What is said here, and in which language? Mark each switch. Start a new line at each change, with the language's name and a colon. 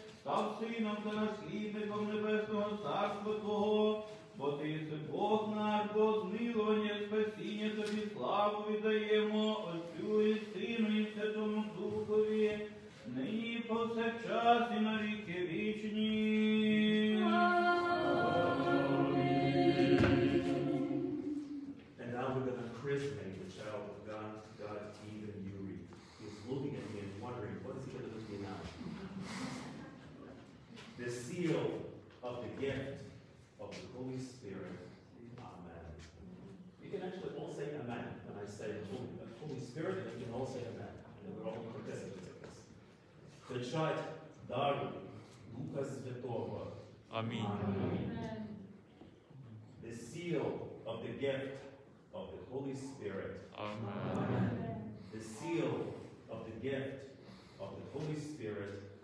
Ukrainian: став сином та наслідником небесного царства твого, бо ти єси Бог наш, бо змилування, спасіння тобі славу віддаємо, Отцю і Сину і Святому Духові, нині і повсякчас і на віки вічні.
English: And now we're going to christen the child of God, God's team and Yuri. He's looking at me and wondering, what is he going to do now? The seal of the gift of the Holy Spirit. Amen. You can actually all say amen when I say Holy Spirit, and you can all say amen. And we're all participants in this.
Ukrainian: Печать дару Духа Святого.
English: Amen. The seal of the gift of the Holy Spirit. Amen. The seal of the gift of the Holy Spirit.